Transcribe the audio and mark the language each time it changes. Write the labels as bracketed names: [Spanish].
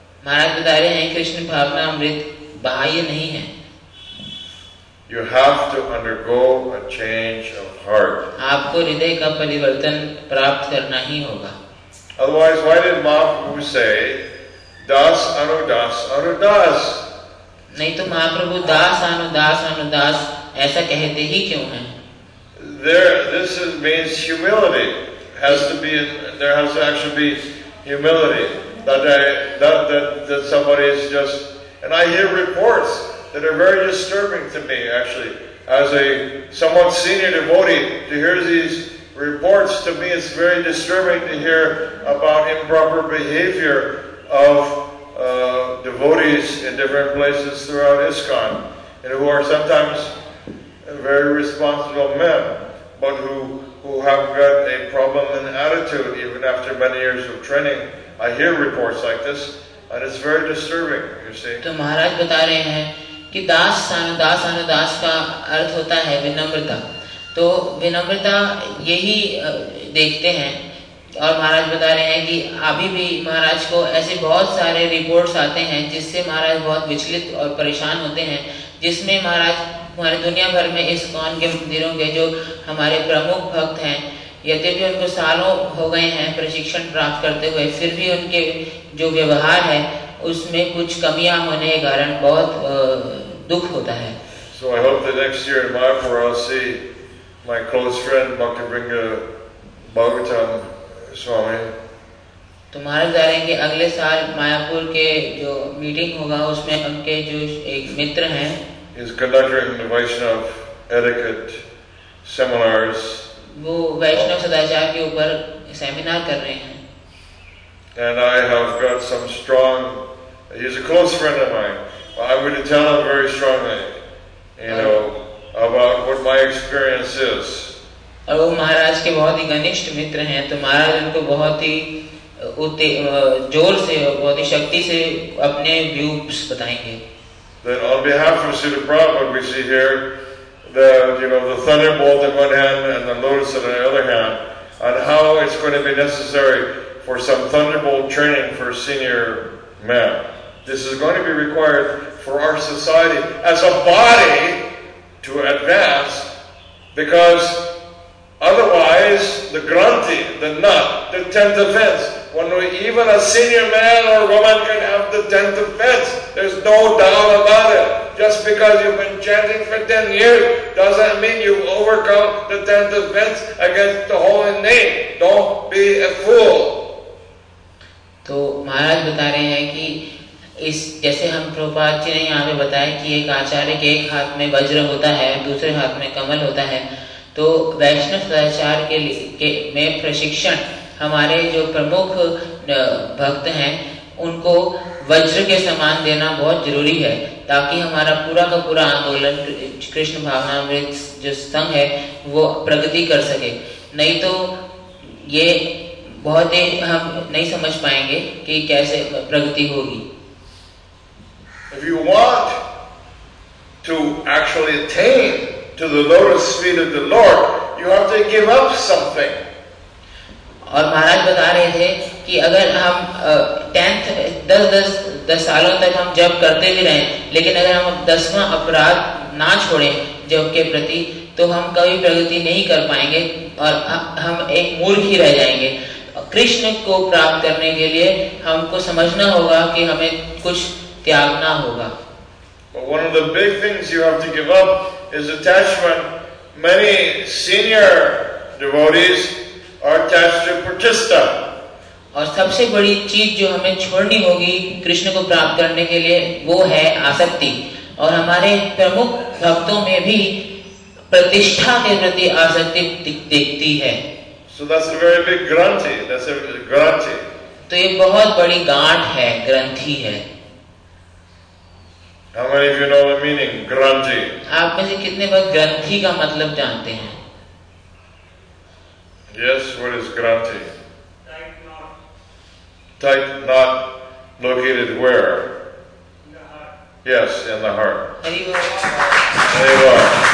[Hindi] महाराज बता रहे हैं कृष्ण भावना अमृत बाह्य नहीं है। [English] You have to undergo a change of heart. [Hindi] आपको हृदय का परिवर्तन प्राप्त करना ही होगा। [English] Otherwise, why did Mahaprabhu say, "Das anu das anu das"? [Hindi] नहीं तो महाप्रभु दास अनु दास अनु दास ऐसा कहते ही क्यों हैं? [English] There, this is, means humility. Has to be. There has to actually be humility. That somebody is just. And I hear reports that are very disturbing to me, actually, as a somewhat senior devotee, to hear these reports. To me, it's very disturbing to hear about improper behavior of devotees in different places throughout ISKCON, and who are sometimes very responsible men, but who have got a problem in attitude even after many years of training. I hear reports like this, and it's very disturbing. You see. [Hindi] तो महाराज बता रहे हैं कि दास अनुदास अनुदास का अर्थ होता है विनम्रता। तो विनम्रता यही देखते हैं, और महाराज बता रहे हैं कि अभी भी महाराज को ऐसे बहुत सारे रिपोर्ट्स आते हैं जिससे महाराज बहुत विचलित और परेशान होते हैं, जिसमें महाराज हमारे दुनिया भर में इस कौन के मंदिरों के जो हमारे प्रमुख भक्त हैं, यद्यपि उनको सालों हो गए हैं प्रशिक्षण प्राप्त करते हुए, फिर भी उनके जो व्यवहार है उसमें कुछ कमियां होने के कारण बहुत दुख होता है। [English] So I hope that next year in Mayapur I'll see my close friend Bhakti Vrinda Bhagavatam Swami. [Hindi] तुम्हारे जा रहे हैं कि अगले साल मायापुर के जो मीटिंग होगा उसमें उनके जो एक मित्र हैं। [English] He is conducting the Vaishnav etiquette seminars. [Hindi] वो वैष्णव सदाचार के ऊपर सेमिनार कर रहे हैं। [English] And I have got some strong. He's a close friend of mine. I'm going to tell him very strongly, you know, about what my experience is. [Hindi] और वो महाराज के बहुत ही घनिष्ठ मित्र हैं, तो महाराज उनको बहुत ही जोर से, बहुत ही शक्ति से अपने व्यूज बताएंगे। [English] Then on behalf of Srila Prabhupada, we see here the thunderbolt in one hand and the lotus in the other hand, and how it's going to be necessary for some thunderbolt training for senior men. This is going to be required for our society as a body to advance, because otherwise the granti, the nut, the tenth offense, when even a senior man or woman can have the tenth offense, there's no doubt about it. Just because you've been chanting for 10 years doesn't mean you've overcome the 10th offense against the holy name. Don't be a fool. [Hindi] तो महाराज बता रहे हैं कि इस जैसे हम प्रभुपाद जी ने यहाँ पे बताया कि एक आचार्य के एक हाथ में वज्र होता है, दूसरे हाथ में कमल होता है, तो वैष्णव सदाचार के में प्रशिक्षण हमारे जो प्रमुख भक्त हैं उनको वज्र के समान देना बहुत जरूरी है, ताकि हमारा पूरा का पूरा आंदोलन कृष्ण भावनामृत जो संघ है वो प्रगति कर सके। नहीं तो ये बहुत ही हम नहीं समझ पाएंगे कि कैसे प्रगति होगी। [English] If you want to actually attain to the lotus feet of the Lord, you have to give up something. [Hindi] और महाराज बता रहे थे कि अगर हम टेंथ दस सालों तक हम जब करते भी रहे, लेकिन अगर हम दसवां अपराध ना छोड़े जब के प्रति, तो हम कभी प्रगति नहीं कर पाएंगे और हम एक मूर्ख ही रह जाएंगे। कृष्ण को प्राप्त करने के लिए हमको समझना होगा कि हमें कुछ त्यागना होगा। [English] But one of the big things you have to give up is attachment. Many senior devotees are attached to Pratistha. [Hindi] और सबसे बड़ी चीज जो हमें छोड़नी होगी कृष्ण को प्राप्त करने के लिए वो है आसक्ति। और हमारे प्रमुख भक्तों में भी प्रतिष्ठा के प्रति आसक्ति दिखती है। [English] So that's a very big granthi. That's a granthi. [Hindi] तो ये बहुत बड़ी गांठ है, ग्रंथि है। [English] How many of you know the meaning granthi? [Hindi] आप में से कितने बार ग्रंथि का मतलब जानते हैं? [English] Yes, what is granthi? Tight knot located where? In the heart. Yes, in the heart. There you go. There you are.